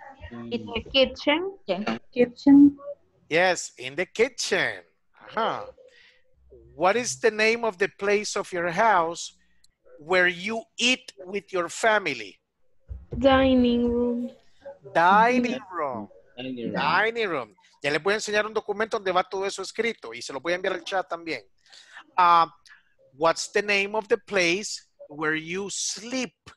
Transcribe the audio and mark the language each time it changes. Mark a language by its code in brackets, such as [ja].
[en] In the kitchen. Kitchen. Yes, in the kitchen. Uh-huh. What is the name of the place of your house where you eat with your family? Dining room. [es] Ya les voy a enseñar un documento donde va todo eso escrito y se lo voy a enviar al chat también. [en] What's the name of the place where you sleep?